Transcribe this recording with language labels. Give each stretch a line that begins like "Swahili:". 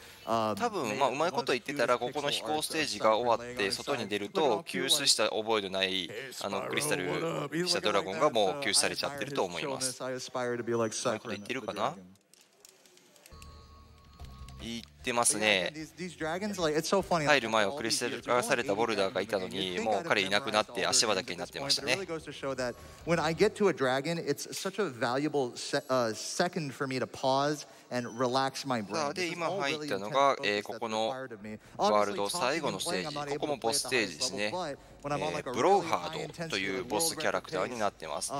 Japanese: 多分まあうまいこと言ってたらここの飛行ステージが終わって外に出ると吸収した覚えのないあのクリスタルしたドラゴンがもう吸収されちゃってると思います。うまいこと言ってるかな。言ってますね。入る前はクリスタル化されたボルダーがいたのにもう彼いなくなって足場だけになってましたね。
English: When I get to a dragon, it's such a valuable second for me to pauseAnd relax my brain.
Japanese: で今入ったのが、ここのワールド最後のステージ、ここもボスステージですね、ブローハードというボスキャラクターになってます。